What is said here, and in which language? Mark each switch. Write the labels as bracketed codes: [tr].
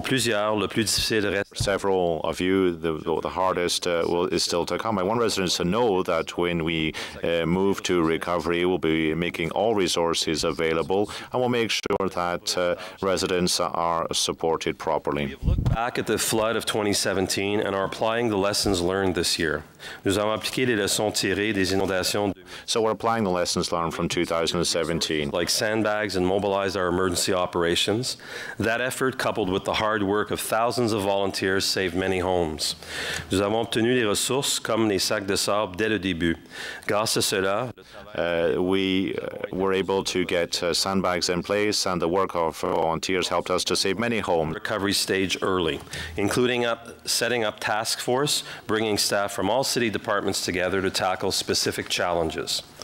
[en] For several of you, the hardest is still to come. I want residents to know that when we move to recovery, we'll be making all resources available, and we'll make sure that residents are supported properly. We have looked back at the flood of 2017 and are applying the lessons learned this year. [fr] Nous avons appliqué les leçons tirées des inondations. [en] So we're applying the lessons learned from 2017. Like sandbags and mobilize our emergency operations. That effort, coupled with the hard work of thousands of volunteers, saved many homes. [fr] Nous avons obtenu les ressources comme les sacs de sable dès le début. Grâce à cela, [en] we were able to get sandbags in place, and the work of volunteers helped us to save many homes. Recovery stage early, including setting up task force, bringing staff from all city departments together to tackle specific challenges.